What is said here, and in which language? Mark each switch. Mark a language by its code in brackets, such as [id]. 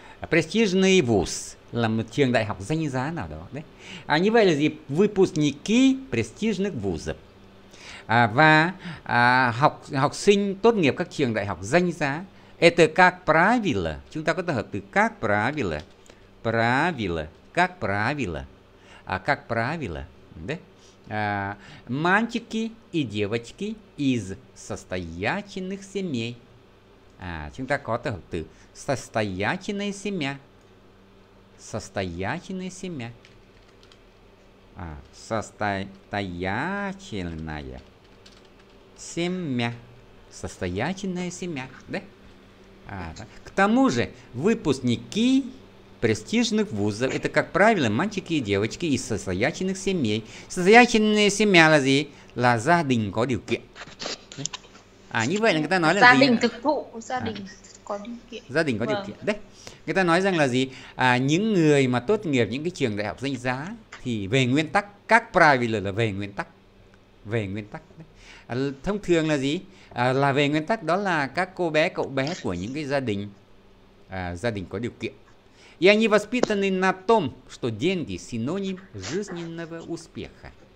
[vi] Престижный вуз là một trường đại học danh giá nào đó đấy. À, như vậy là gì? [ru] Выпускники престижных вузов. [vi] À, và học sinh tốt nghiệp các trường đại học danh giá. [ru] Это как правило. [vi] Chúng ta có thể hợp từ как правило. [ru] Правило. Как правило. Как правило. Đấy. Мальчики и девочки из состоятельных семей. [vi] Chúng ta có từ từ состоятельная семья. [ru] Состоятельная семья. Состоятельная семья. Состоятельная семья. Да? К тому же, выпускники престижных вузов, это, как правило, мальчики и девочки из состоятельных семей. [vi] Состоятельная семья là gì? Là gia đình có điều kiện. Như vậy là người ta nói là gia gì? Đình thực thụ, gia đình có điều kiện. Gia đình có điều kiện. Đấy. Người ta nói rằng là gì? Những người mà tốt nghiệp những cái trường đại học danh giá thì về nguyên tắc, các private là về nguyên tắc. Về nguyên tắc. Thông thường là gì? Là về nguyên tắc đó là các cô bé, cậu bé của những cái gia đình có điều kiện. [ru] И они воспитаны на том, что деньги синоним жизненного успеха.